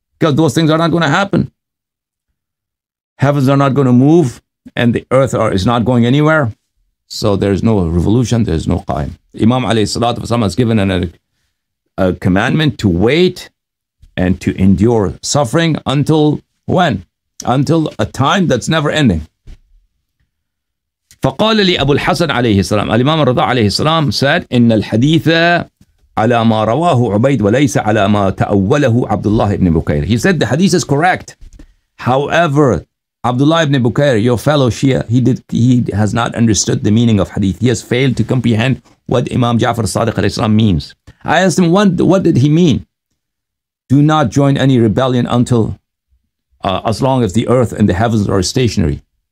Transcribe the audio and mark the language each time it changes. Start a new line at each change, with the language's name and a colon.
English: Because those things are not going to happen. Heavens are not going to move and the earth is not going anywhere. So there is no revolution, there is no qaim. Imam alayhi salatu wasalam has given a commandment to wait and to endure suffering until when? Until a time that's never ending.
Arabic: فَقَالَ لِي أَبُو الْحَسَنِ عَلَيْهِ السَّلَامِ
English: Al-Imam al-Ridha alayhi salam said,
Arabic: إِنَّ الْحَدِيثَ عَلَى مَا رَوَاهُ عُبَيْدُ وَلَيْسَ عَلَى مَا تَأَوَّلَهُ عَبْدُ اللَّهِ ابْنِ بُكَيْرِ.
English: He said the hadith is correct. However, Abdullah ibn Bukhari, your fellow Shia, he has not understood the meaning of hadith. He has failed to comprehend what Imam Ja'far al-Sadiq alayhi salam means. I asked him, what did he mean? Do not join any rebellion until, as long as the earth and the heavens are stationary.